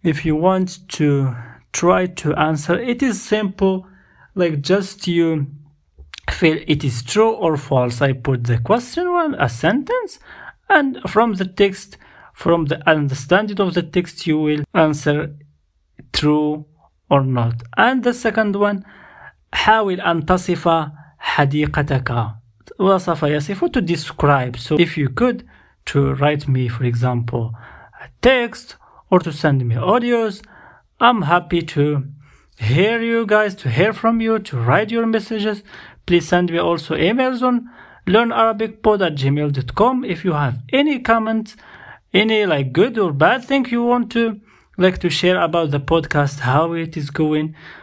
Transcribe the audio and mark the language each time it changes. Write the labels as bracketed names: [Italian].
[English] If you want to try to answer, it is simple, like just you feel it is true or false. I put the question one, a sentence, and from the text, from the understanding of the text, you will answer true or not. And the second one, [Arabic] حاول أن تصف حديقتك. وصف يصف [English] to describe. So if you could to write me for example a text or to send me audios, I'm happy to hear you guys, to hear from you, to write your messages. Please send me also emails on learnarabicpod@gmail.com if you have any comments, any like good or bad thing you want to like to share about the podcast, how it is going.